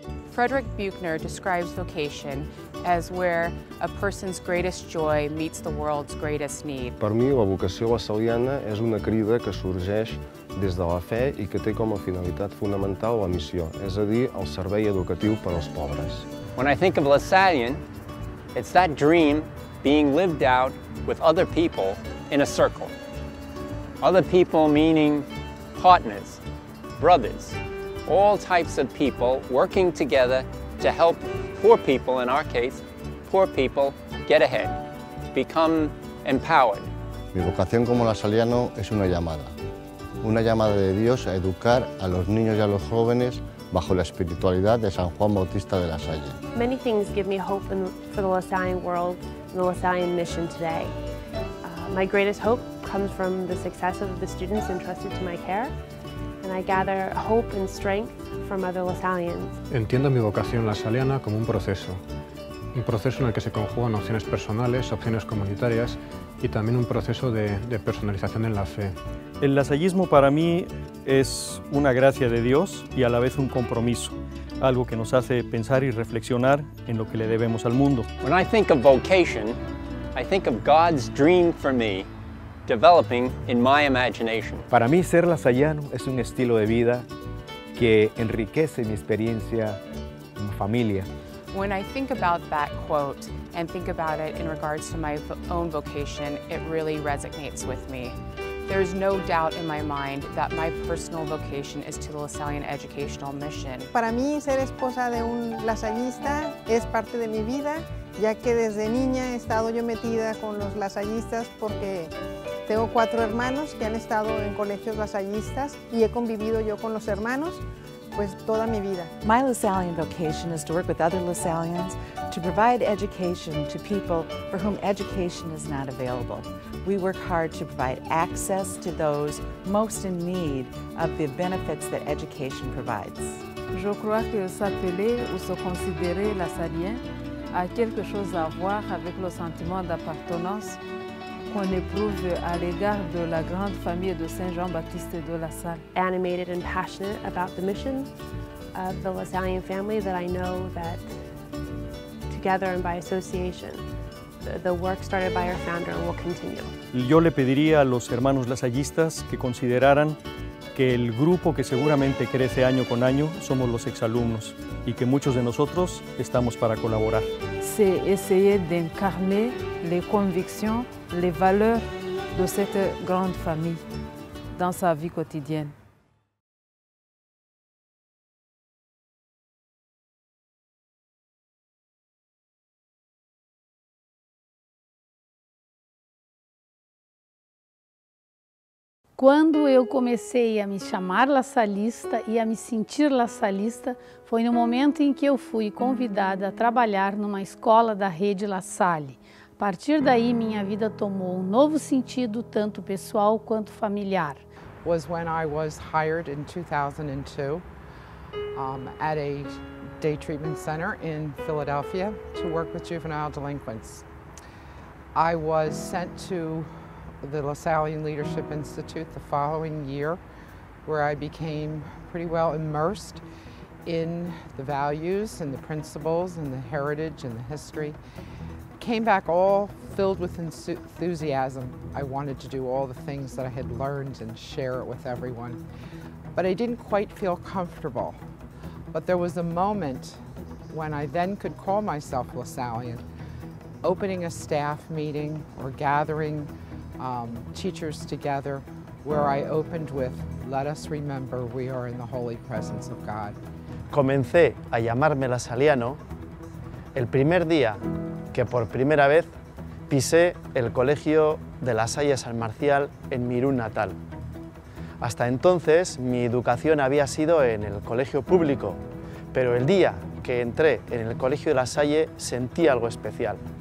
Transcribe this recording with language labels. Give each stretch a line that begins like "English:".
English: Frederick Buchner describes vocation as where a person's greatest joy meets the world's greatest need.
Catalan: Per mi, la vocació lasalliana és una crida que sorgeix des de la fe i que té com a finalitat fonamental la missió, és a dir, el servei educatiu per als pobres.
English: When I think of LaSallian, it's that dream being lived out with other people in a circle. Other people meaning partners, brothers, all types of people working together to help poor people, in our case, poor people get ahead, become empowered.
Spanish: Mi vocación como lasalliano es una llamada de Dios a educar a los niños y a los jóvenes bajo la espiritualidad de San Juan Bautista de La Salle.
English: Many things give me hope for the LaSallian world and the LaSallian mission today. My greatest hope comes from the success of the students entrusted to my care, and I gather hope and strength from other LaSallians.
Spanish: Entiendo mi vocación lasalliana como un proceso en el que se conjugan opciones personales, opciones comunitarias y también un proceso de personalización en la fe. El lasallismo para mí es una gracia de Dios y a la vez un compromiso, algo que nos hace pensar y reflexionar en lo que le debemos al mundo.
English: When I think of vocation, I think of God's dream for me, developing in my imagination.
Spanish: Para mí, ser lasalliano es un estilo de vida que enriquece mi experiencia en familia.
English: When I think about that quote and think about it in regards to my own vocation, it really resonates with me. There's no doubt in my mind that my personal vocation is to the LaSallian educational mission.
Spanish: Para mí, ser esposa de un lasallista es parte de mi vida, ya que desde niña he estado yo metida con los lasallistas porque tengo 4 hermanos que han estado en colegios lasallistas y he convivido yo con los hermanos pues toda mi vida.
English: My LaSallian vocation is to work with other LaSallians to provide education to people for whom education is not available. We work hard to provide access to those most in need of the benefits that education provides.
French: Je crois que s'appeler ou se considérer lasallien a quelque chose à voir avec le sentiment d'appartenance qu'on éprouve à l'égard de la grande famille de Saint-Jean-Baptiste de La Salle.
English: Animated and passionate about the mission of the La Salle family, that I know that together and by association, the work started by our founder will continue.
Spanish: Yo le pediría a los hermanos lasallistas que consideraran que el grupo que seguramente crece año con año somos los exalumnos y que muchos de nosotros estamos para colaborar.
French: C'est essayer d'incarner les convictions, les valeurs de cette grande famille dans sa vie quotidienne.
Portuguese: Quando eu comecei a me chamar lasallista e a me sentir lasallista, foi no momento em que eu fui convidada a trabalhar numa escola da rede La Salle. A partir daí, minha vida tomou um novo sentido, tanto pessoal quanto familiar.
English: Was when I was hired in 2002 at a day treatment center in Philadelphia to work with juvenile delinquents. I was sent to the Lasallian Leadership Institute the following year, where I became pretty well immersed in the values and the principles and the heritage and the history. Came back all filled with enthusiasm. I wanted to do all the things that I had learned and share it with everyone. But I didn't quite feel comfortable. But there was a moment when I then could call myself Lasallian, opening a staff meeting or gathering teachers together, where I opened with, "Let us remember we are in the holy presence of God."
Spanish: Comencé a llamarme lasalliano el primer día que por primera vez pisé el colegio de La Salle San Marcial en mi Irún natal. Hasta entonces mi educación había sido en el colegio público, pero el día que entré en el colegio de La Salle sentí algo especial.